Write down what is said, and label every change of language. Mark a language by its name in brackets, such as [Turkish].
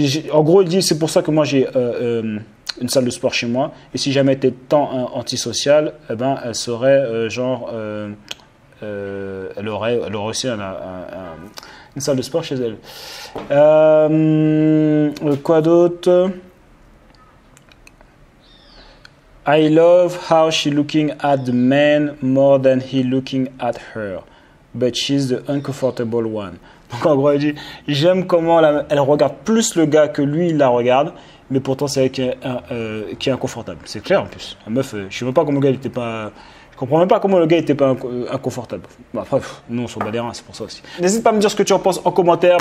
[French] En gros, il dit c'est pour ça que moi j'ai une salle de sport chez moi. Et si jamais t'es tant antisocial, eh ben, elle serait genre. Elle aurait aussi une salle de sport chez elle. Quoi d'autre? [English] I love how she's looking at the man more than he looking at her, but she's the uncomfortable one. [French] Donc en gros, elle dit j'aime comment elle regarde plus le gars que lui il la regarde, mais pourtant c'est elle qui est inconfortable. C'est clair en plus. La meuf, je sais même pas comment le gars n'était pas. Je comprends même pas comment le gars était pas inconfortable. Bah, bref, nous on s'en bat les reins, c'est pour ça aussi. N'hésite pas à me dire ce que tu en penses en commentaire.